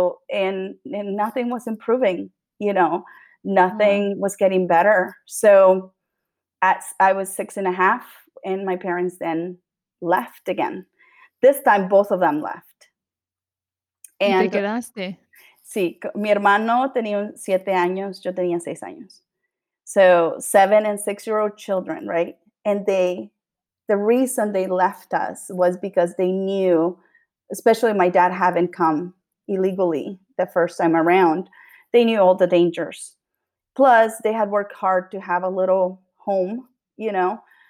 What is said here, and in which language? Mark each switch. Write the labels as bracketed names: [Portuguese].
[English] And nothing was improving, you know. Nothing was getting better. So I was 6 and a half, and my parents then left again. This time, both of them left. [Spanish] And te quedaste. Sí, mi hermano tenía 7 años, yo tenía 6 años. [English] So 7 and 6 year old children, right? And the reason they left us was because they knew, especially my dad having come illegally the first time around, they knew all the dangers. Plus, they had worked hard to have a little home, you know.